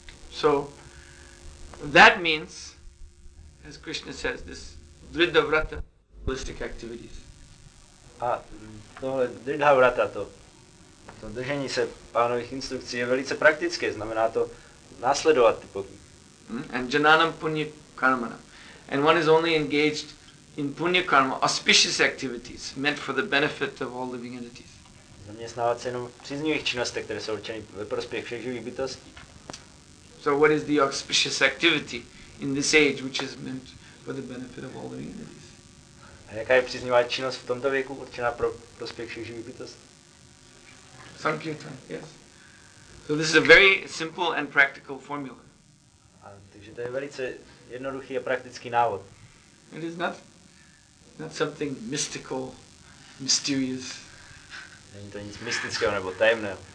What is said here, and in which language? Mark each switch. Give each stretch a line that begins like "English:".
English: So that means, as Krishna says, this dridhavrata holistic activities.
Czech: A tohle dridhavrata, to To držení se pánových instrukcí je velice praktické, znamená to následovat ty pokyny.
Sanskrit: And jananam punya karmana.
English: And one is only engaged in punya karma, auspicious activities meant for the benefit of all living entities.
Czech: Zaměstnávat se jenom v příznivých činnostech, které jsou určeny ve prospěch všech živých bytostí.
English: So what is the auspicious activity in this age which is meant for the benefit of all living entities?
Czech: A jaká je příznivá činnost v tomto věku určená pro prospěch všech živých bytostí?
English: Sankirtan, yes. So this is a very simple and practical formula.
Czech: A takže to je velice jednoduchý a praktický návod.
English: It is not something mystical, mysterious.
Czech: Není to nic mystického nebo tajemného.